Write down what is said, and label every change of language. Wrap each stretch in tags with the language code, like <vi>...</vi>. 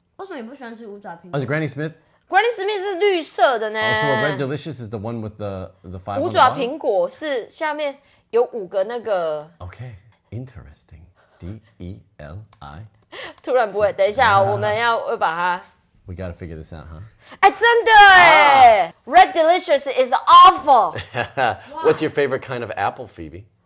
<zh>为什么你不喜欢吃五爪苹果？是 Granny Smith? Granny Smith 是绿色的呢。</zh> <en>Also, Red Delicious is the one with the 5 on the</en> <zh>五爪苹果是下面有五个那个。</zh> <en>Okay, interesting. D-E-L-I.</en> <zh>突然不会，等一下，我们要把它。</zh> <en>We gotta figure this out, huh?</en> <zh>真的耶。</zh> <en>Red Delicious is awful. What's your favorite kind of apple, Phoebe?</en>